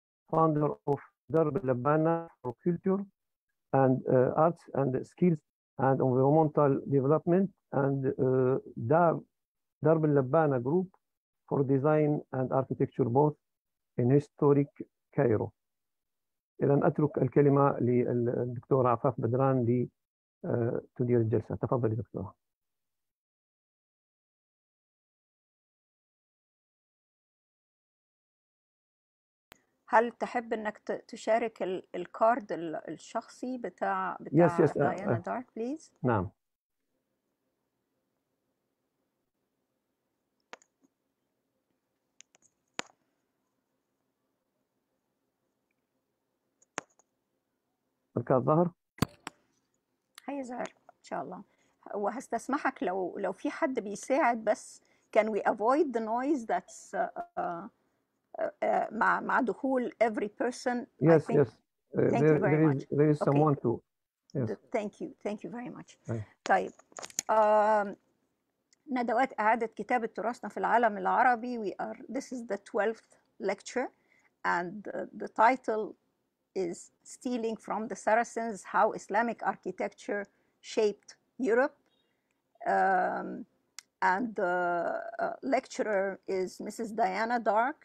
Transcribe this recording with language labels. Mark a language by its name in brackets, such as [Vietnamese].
[English] Founder of Darb Labana for Culture and Arts and Skills and Environmental Development and Darb Labana Group for Design and Architecture both in Historic Cairo. [Arabic] إذا أترك الكلمة للدكتور عفاف بدران لتدير الجلسة. تفضل دكتور. هل تحب أنك تشارك الكارد الشخصي بتاع [English] yes. [Arabic] ديانا دارك بليز؟ نعم. الكارد ظهر؟ هي ظهر إن شاء الله. وهستسمحك لو في حد بيساعد بس [English] can we avoid the noise that's [Arabic] مع دخول [English] every person. Yes, yes. Thank you very much. There is someone too. Yes. Thank you very much. [Arabic] طيب. ندوات إعادة كتابة تراثنا في العالم العربي. [English] This is the 12th lecture and the title is Stealing from the Saracens, How Islamic Architecture Shaped Europe. And the lecturer is Mrs. Diana Dark.